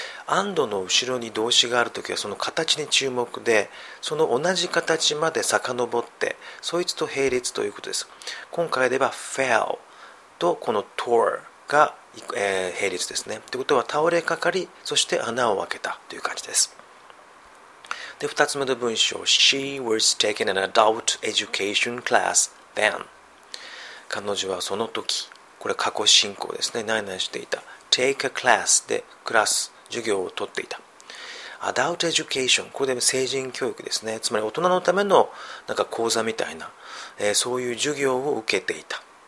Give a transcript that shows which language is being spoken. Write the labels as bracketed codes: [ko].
[ja] and の後ろに動詞があるときはその形に注目で、その同じ形まで遡って、そいつと並列ということです。今回では fell とこの tore が、並列ですね。ということは倒れかかり、そして穴を開けたという感じです。で、2つ目の文章、 [en] She was taking an adult education class then。 [ja] 彼女はその時、これ過去進行ですね、何々していた。 [en] take a class [ja] でクラス、授業を取っていた。 [en] adult education、 [ja] これで成人教育ですね。つまり大人のためのなんか講座みたいな、そういう授業を受けていた。